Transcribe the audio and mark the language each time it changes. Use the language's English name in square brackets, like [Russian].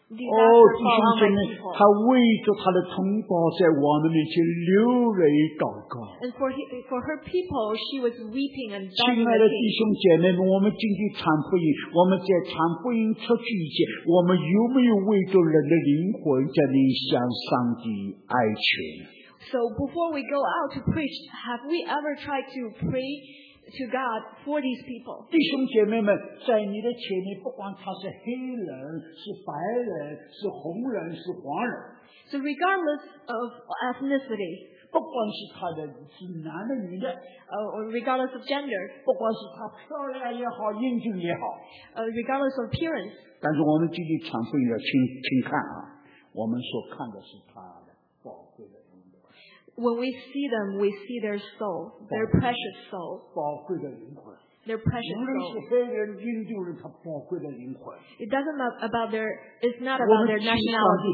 [Chinese] 哦，弟兄姐妹，她为着她的同胞在王的面前流泪祷告。 [English] And for her people, she was weeping and [Chinese] 亲爱的弟兄姐妹们，我们今天传福音，我们在传福音出去以前，我们有没有为着人的灵魂在向上帝哀求 [English] ？So before we go out to preach, have we ever tried to pray to God for these people? [Chinese] 弟兄姐妹们，在你的前面，不管他是黑人、是白人、是红人、是黄人， [English] so regardless of ethnicity, [Chinese] 不管是他的是男的女的， [English] regardless of gender, [Chinese] 不管是他漂亮也好、英俊也好， [English] regardless of appearance, [Chinese] 但是我们今天传福音要亲看啊，我们所看的是他的宝贵的。 [English] when we see them, we see their soul, their precious soul. Their precious soul. It doesn't matter about their, it's not about their nationality.